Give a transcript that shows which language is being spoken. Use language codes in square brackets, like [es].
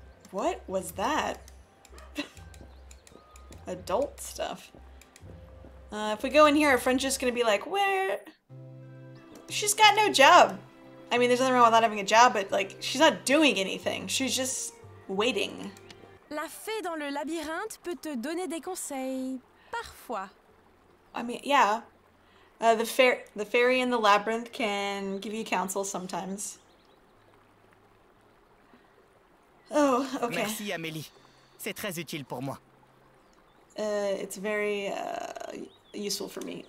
[en] What was that? Adult stuff. If we go in here, our friend's just gonna be like, where? She's got no job. I mean, there's nothing wrong with not having a job, but, like, she's not doing anything. She's just waiting. [fr] La fée dans le labyrinthe peut te donner des conseils, parfois. [en] I mean, yeah. The fairy in the labyrinth can give you counsel sometimes. Oh, okay. [fr] Merci, Amélie. C'est très utile pour moi. [en] It's very useful for me.